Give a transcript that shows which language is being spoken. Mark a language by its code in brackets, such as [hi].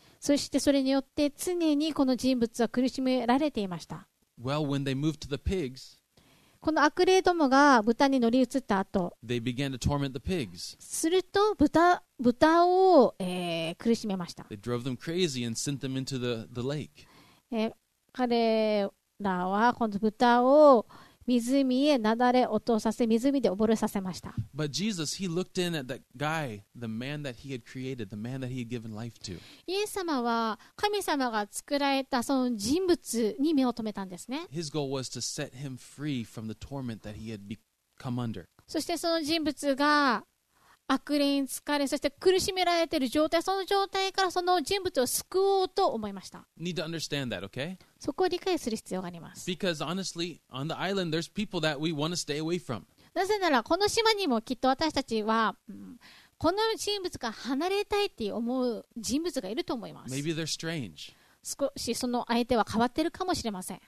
[ja] そしてそれによって常にこの人物は苦しめられていました。 [en] Well, when they moved to the pigs, [ja] この悪霊どもが豚に乗り移った後、 [en] they began to torment the pigs. [ja] すると豚を、苦しめました。 [en] They drove them crazy and sent them into the lake. [ja] 彼らはこの豚を湖へなだれ落とさせ、湖で溺れさせました。 [en] But Jesus, he looked in at that guy, the man that he had created, the man that he had given life to. [ja] イエス様は神様が作られたその人物に目を留めたんですね。 [en] His goal was to set him free from the torment that he had come under. [ja] そしてその人物が悪霊に疲れ、そして苦しめられている状態、その状態からその人物を救おうと思いました。 [en] Need to understand that, okay? [ja] そこを理解する必要があります。 [en] Because honestly, on the island, there's people that we want to stay away from. [ja] なぜならこの島にもきっと私たちは、この人物から離れたいって思う人物がいると思います。 [en] Maybe they're strange. [ja] 少しその相手は変わってるかもしれません。